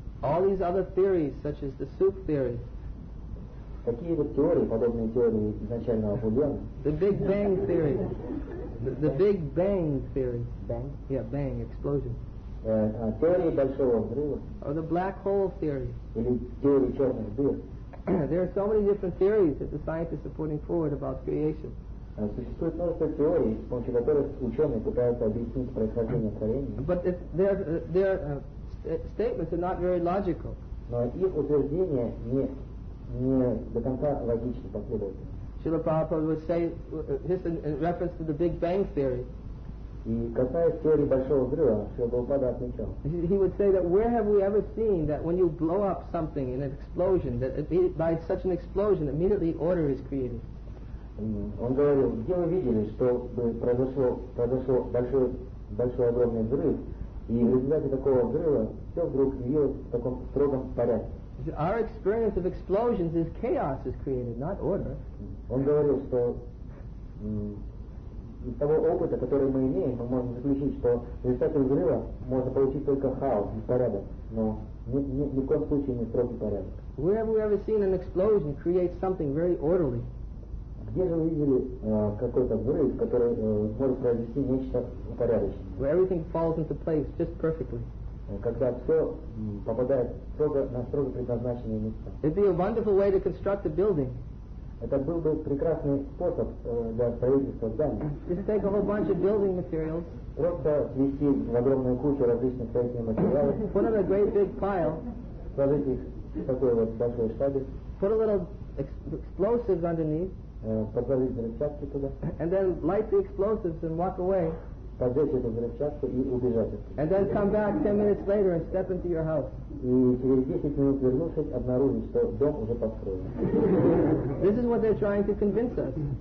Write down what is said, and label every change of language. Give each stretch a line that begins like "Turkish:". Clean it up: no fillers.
English: All these other theories, such as the soup theory.
Russian: Какие вот теории, подобные теории изначального бульона?
English: The Big Bang theory. The Big Bang theory. Bang? Yeah, bang, explosion.
Russian: Теории большого взрыва.
English: Or the black hole theory.
Russian: Или теории черных дыр.
English: There are so many different theories that the scientists are putting forward about creation.
Russian: Существует множество теорий, с помощью которых ученые пытаются объяснить происхождение творения.
English: But their statements are not very logical.
Russian: Но их утверждения не до конца логичны, последовательны.
English: Srila Prabhupada would say, just in reference to the Big Bang theory.
Russian: И касаясь теории большого взрыва, Srila Prabhupada отмечал.
English: He would say that where have we ever seen that when you blow up something in an explosion, that by such an explosion, immediately order is created.
Russian: Он говорил, где вы видели, что произошло большой огромный взрыв, и в результате такого взрыва все вдруг явилось в таком строгом порядке.
English: Our experience of explosions is chaos is created, not order.
Russian: Он говорил, что из того опыта, который мы имеем, мы можем заключить, что в результате взрыва можно получить только хаос, беспорядок, но ни в коем случае не строгий порядок.
English: Where have we ever seen an explosion create something very orderly?
Russian: Где же вы видели какой-то взрыв, который может произвести нечто упорядоченное?
English: Where everything falls into place just perfectly.
Russian: Когда все попадает на строго предназначенное место.
English: It'd be a wonderful way to construct a building.
Russian: Это был бы прекрасный способ для строительства здания.
English: Just take a whole bunch of building materials.
Russian: Просто ввести в огромную кучу различных строительных материалов.
English: Put in a great big pile.
Russian: Сложить их в такой вот большой штабе.
English: Put a little explosives underneath.
Russian: Подложить рычажки туда.
English: And then light the explosives and walk away. And then come back 10 minutes later and step into your house. This is what they're trying to convince us.